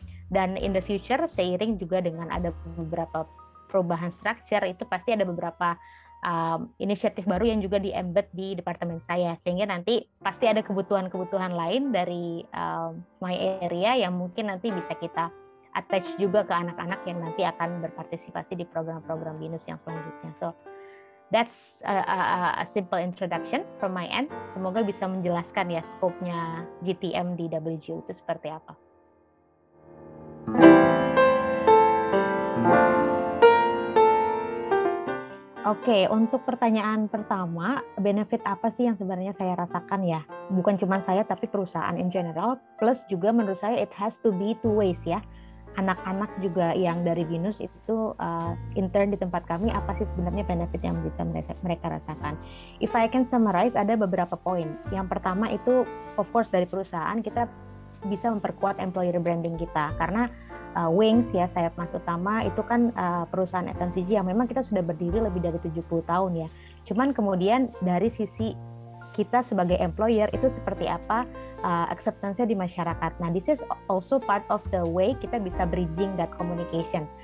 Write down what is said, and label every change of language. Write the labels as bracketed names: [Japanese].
[Indonesian] Dan [English] in the future, [Indonesian] seiring juga dengan ada beberapa perubahan structure, itu pasti ada beberapa inisiatif baru yang juga di-embed di departemen saya. Sehingga nanti pasti ada kebutuhan-kebutuhan lain dari my area yang mungkin nanti bisa kita attach juga ke anak-anak yang nanti akan berpartisipasi di program-program BINUS yang selanjutnya. [English] So, that's a simple introduction from my end. [Indonesian] Semoga bisa menjelaskan ya scope-nya GTM di WGO itu seperti apa. Oke, untuk pertanyaan pertama, benefit apa sih yang sebenarnya saya rasakan ya? Bukan cuma saya, tapi perusahaan in general. Plus juga menurut saya [English] it has to be two ways [Indonesian] ya. Anak-anak juga yang dari BINUS itu intern di tempat kami, apa sih sebenarnya benefit yang bisa mereka rasakan? [English] If I can summarize, [Indonesian] ada beberapa poin. Yang pertama itu, of course, dari perusahaan kita bisa memperkuat employer branding kita. Karena Wings ya, sayap mas utama, itu kan perusahaan FMCG yang memang kita sudah berdiri lebih dari 70 tahun ya. Cuman kemudian dari sisi kita sebagai employer itu seperti apa acceptance-nya di masyarakat. [English] Nah, this is also part of the way [Indonesian] kita bisa [English] bridging that communication.